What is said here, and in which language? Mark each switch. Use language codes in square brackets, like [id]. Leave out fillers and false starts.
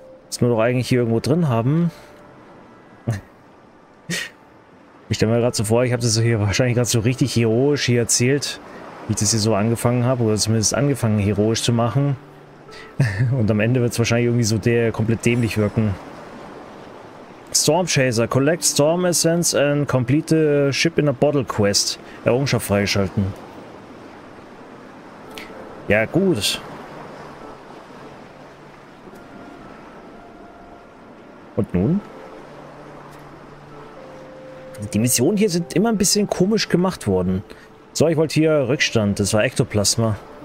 [de] Das wir doch eigentlich hier irgendwo drin haben. Ich stelle mir gerade so vor, ich habe das hier wahrscheinlich gerade so richtig heroisch hier erzählt, wie ich das hier so angefangen habe, oder zumindest angefangen heroisch zu machen. Und am Ende wird es wahrscheinlich irgendwie so der komplett dämlich wirken. [en] Storm Chaser, collect Storm Essence and complete the Ship in a Bottle Quest. [de] Errungenschaft freischalten. Ja, gut. Und nun? Die Missionen hier sind immer ein bisschen komisch gemacht worden. So, ich wollte hier Rückstand, das war Ektoplasma.